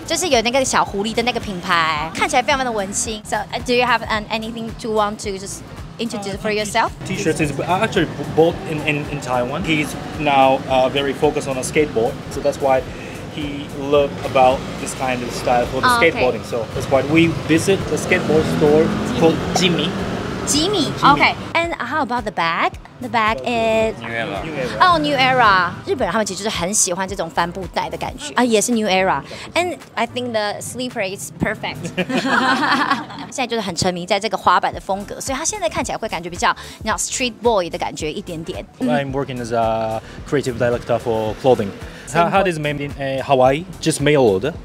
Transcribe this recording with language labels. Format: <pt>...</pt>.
<zh>就是有那个小狐狸的那个品牌，看起来非常的文青。</zh> <en>So, do you have anything to want to just introduce for yourself? T-shirt is actually bought in Taiwan. He's now very focused on a skateboard, so that's why. Love about this kind of style for the skateboarding, so that's why we visit the skateboard store called Jimmy. Jimmy, okay. And how about the bag? The bag is New Era. Oh, New Era.</en> <zh>日本人他们其实就是很喜欢这种帆布袋的感觉啊，也是 New Era.</zh> <en>And I think the slipper is perfect.</en> <zh>现在就是很沉迷在这个滑板的风格，所以他现在看起来会感觉比较你知道</zh> <en>street boy</en> <zh>的感觉一点点。</zh> <en>I'm working as a creative director for clothing. Hat is made in Hawaii, just mail order.</en>